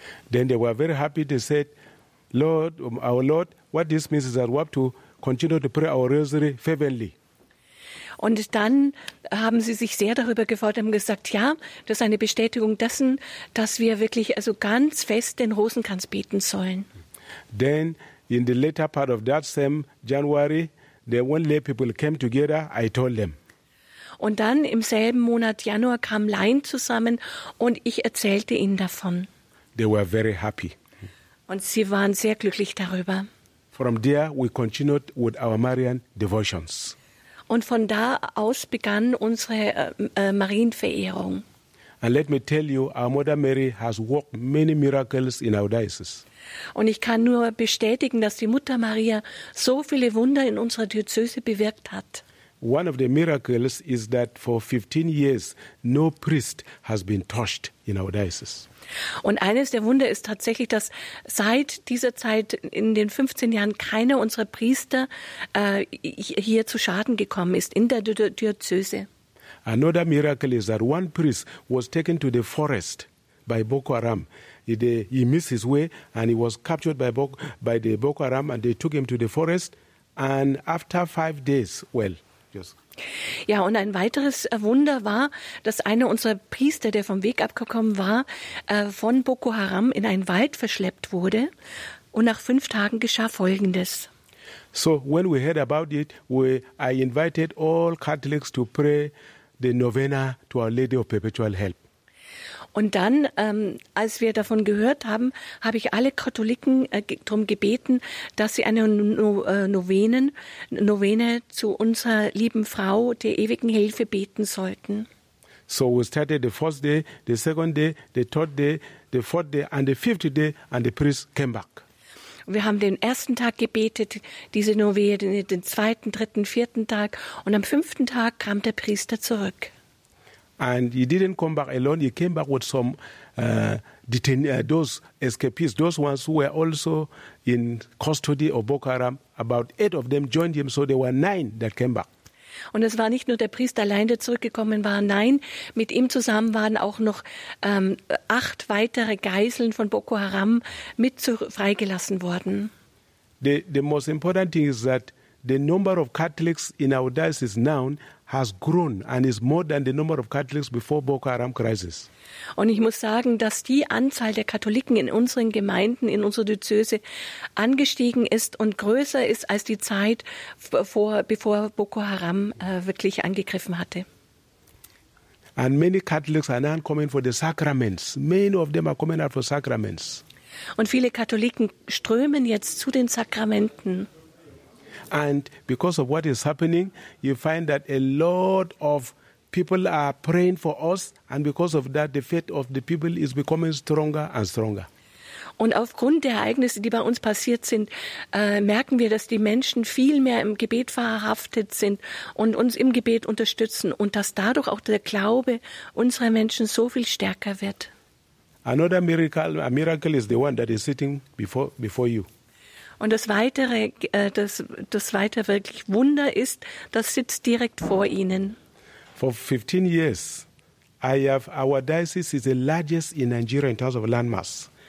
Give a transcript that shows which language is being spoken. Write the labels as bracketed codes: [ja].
[en] Then they were very happy. They said, Lord, our Lord, what this means is that we have to continue to pray our rosary fervently. [de] Und dann haben sie sich sehr darüber gefreut und gesagt, ja, das ist eine Bestätigung dessen, dass wir wirklich also ganz fest den Rosenkranz beten sollen. [en] Then in the later part of that same January, the one lay people came together, I told them. [de] Und dann im selben Monat Januar kamen Laien zusammen und ich erzählte ihnen davon. [en] They were very happy. [de] Und sie waren sehr glücklich darüber. [en] From there we continued with our Marian devotions. [de] Und von da aus begann unsere Marienverehrung. [en] And let me tell you, our Mother Mary has worked many miracles in our diocese. [de] Und ich kann nur bestätigen, dass die Mutter Maria so viele Wunder in unserer Diözese bewirkt hat. [en] One of the miracles is that for 15 years no priest has been touched in our diocese. [de] Und eines der Wunder ist tatsächlich, dass seit dieser Zeit in den 15 Jahren keiner unserer Priester hier zu Schaden gekommen ist in der Diözese. [en] Another miracle is that one priest was taken to the forest by Boko Haram. He missed his way and he was captured by the Boko Haram and they took him to the forest and after 5 days, well, just... [de] Ja, und ein weiteres Wunder war, dass einer unserer Priester, der vom Weg abgekommen war, von Boko Haram in einen Wald verschleppt wurde und nach 5 Tagen geschah Folgendes. [en] So, when we heard about it, I invited all Catholics to pray the Novena to Our Lady of Perpetual Help. [de] Und dann, als wir davon gehört haben, habe ich alle Katholiken darum gebeten, dass sie eine Novene zu unserer lieben Frau der ewigen Hilfe beten sollten. [en] So we started the first day, the second day, the third day, the fourth day and the fifth day and the priest came back. [de] Wir haben den ersten Tag gebetet, diese Novene, den zweiten, dritten, vierten Tag und am 5. Tag kam der Priester zurück. [en] And he didn't come back alone. He came back with some those escapees, those ones who were also in custody of Boko Haram. About 8 of them joined him, so there were 9 that came back. [de] Und es war nicht nur der Priester allein, der zurückgekommen war. Nein, mit ihm zusammen waren auch noch 8 weitere Geiseln von Boko Haram mit freigelassen worden. [en] The most important thing is that the number of Catholics in our diocese now has grown and is more than the number of Catholics before Boko Haram crisis. [de] Und ich muss sagen, dass die Anzahl der Katholiken in unseren Gemeinden, in unserer Diözese angestiegen ist und größer ist als die Zeit, bevor Boko Haram wirklich angegriffen hatte. [en] And many Catholics are now coming for the sacraments. Many of them are coming out for sacraments. [de] Und viele Katholiken strömen jetzt zu den Sakramenten. [en] And because of what is happening, you find that a lot of people are praying for us. And because of that, the faith of the people is becoming stronger and stronger. [de] Und aufgrund der Ereignisse, die bei uns passiert sind, merken wir, dass die Menschen viel mehr im Gebet verhaftet sind und uns im Gebet unterstützen und dass dadurch auch der Glaube unserer Menschen so viel stärker wird. [en] Another miracle, a miracle is the one that is sitting before you. [de] Und das weitere wirklich Wunder ist, das sitzt direkt vor Ihnen. [en] For 15 years, our diocese is the largest in Nigeria in terms of landmass.